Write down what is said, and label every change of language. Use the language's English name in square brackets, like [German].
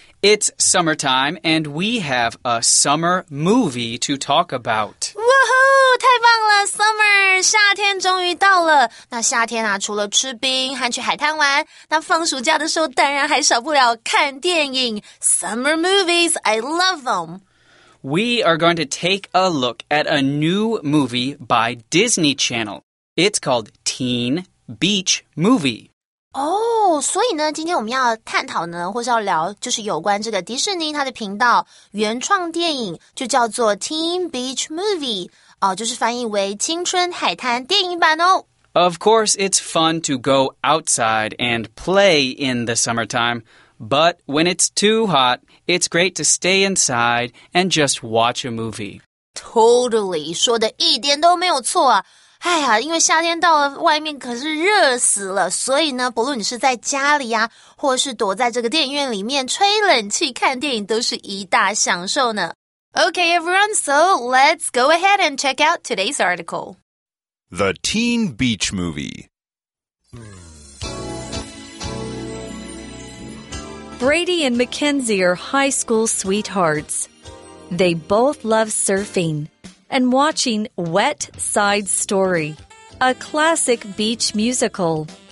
[English] It's summertime and we have a summer movie to talk about. [Chinese] Woohoo! 太棒了 ,summer! 夏天终于到了。那夏天啊除了吃冰和去海滩玩那放暑假的时候当然还少不了看电影。 [English] Summer movies, I love them! We are going to take a look at a new movie by Disney Channel. It's called Teen Beach Movie. [Chinese] 所以呢今天我们要探讨呢或是要聊就是有关这个迪士尼它的频道原创电影就叫做 Teen Beach Movie,就是翻译为青春海滩电影版哦。 [English] Of course, it's fun to go outside and play in the summertime, but when it's too hot, it's great to stay inside and just watch a movie. [Chinese] Totally, 说的一点都没有错啊。哎呀因为夏天到了外面可是热死了所以呢不论你是在家里啊或是躲在这个电影院里面吹冷气看电影都是一大享受呢。 [English] Okay everyone, so let's go ahead and check out today's article. The Teen Beach Movie. Brady and Mackenzie are high school sweethearts. They both love surfing. And watching Wet Side Story, a classic beach musical.